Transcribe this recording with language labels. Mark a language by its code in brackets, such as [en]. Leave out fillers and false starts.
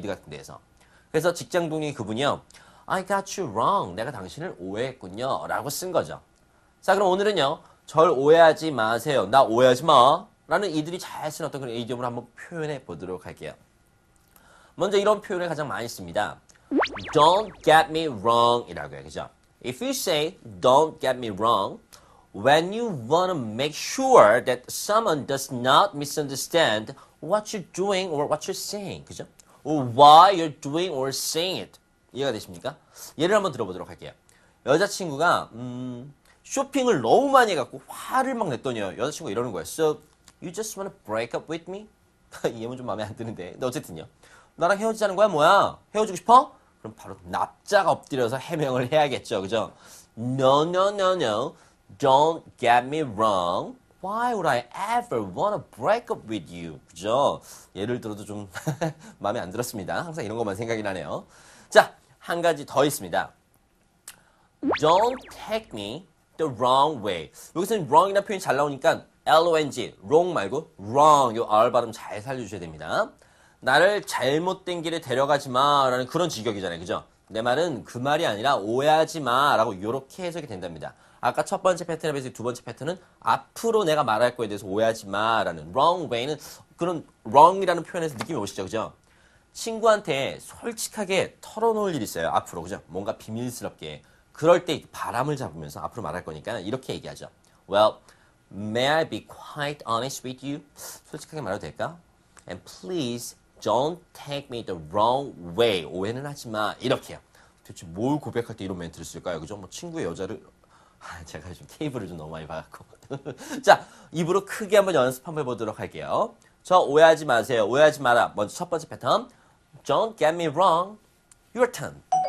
[ko] 미드 같은 데에서. 그래서 직장 동료 그분이요, [en] I got you wrong. [ko] 내가 당신을 오해했군요. 라고 쓴 거죠. 자, 그럼 오늘은요, 절 오해하지 마세요. 나 오해하지 마. 라는 이들이 잘 쓴 어떤 그런 이디엄을 한번 표현해 보도록 할게요. 먼저 이런 표현을 가장 많이 씁니다. [en] Don't get me wrong [ko] 이라고 해요. 그죠? [en] If you say don't get me wrong, when you want to make sure that someone does not misunderstand what you're doing or what you're saying. [ko] 그죠? [en] Or why you're doing or saying it. [ko] 이해가 되십니까? 예를 한번 들어보도록 할게요. 여자친구가 쇼핑을 너무 많이 해갖고 화를 막 냈더니요, 여자친구가 이러는 거예요. [en] So, you just wanna break up with me? [ko] 이해는 좀 마음에 안 드는데. 근데 어쨌든요. 나랑 헤어지자는 거야, 뭐야? 헤어지고 싶어? 그럼 바로 납작 엎드려서 해명을 해야겠죠, 그죠? [en] No, no, no, no. Don't get me wrong. Why would I ever wanna break up with you? [ko] 그죠? 예를 들어도 좀 마음에 안 들었습니다. 항상 이런 것만 생각이 나네요. 자, 한 가지 더 있습니다. [en] Don't take me the wrong way. [ko] 여기서는 wrong이라는 표현이 잘 나오니까 L-O-N-G, wrong 말고 wrong, 이 R 발음 잘 살려주셔야 됩니다. 나를 잘못된 길에 데려가지 마라는 그런 직역이잖아요. 그죠? 내 말은 그 말이 아니라 오해하지 마라고 이렇게 해석이 된답니다. 아까 첫 번째 패턴에 비해서 두 번째 패턴은 앞으로 내가 말할 거에 대해서 오해하지 마라는 wrong way는 그런 wrong이라는 표현에서 느낌이 오시죠? 그죠? 친구한테 솔직하게 털어놓을 일이 있어요. 앞으로. 그죠? 뭔가 비밀스럽게. 그럴 때 바람을 잡으면서 앞으로 말할 거니까 이렇게 얘기하죠. [en] Well, may I be quite honest with you? [ko] 솔직하게 말해도 될까? [en] And please don't take me the wrong way. [ko] 오해는 하지 마. 이렇게요. 도대체 뭘 고백할 때 이런 멘트를 쓸까요? 그죠? 뭐 친구의 여자를... 아, 제가 지금 케이블을 좀 너무 많이 봐갖고. 자, 입으로 크게 한번 연습 한번 해보도록 할게요. 저 오해하지 마세요. 오해하지 마라. 먼저 첫 번째 패턴. [en] Don't get me wrong. Your turn.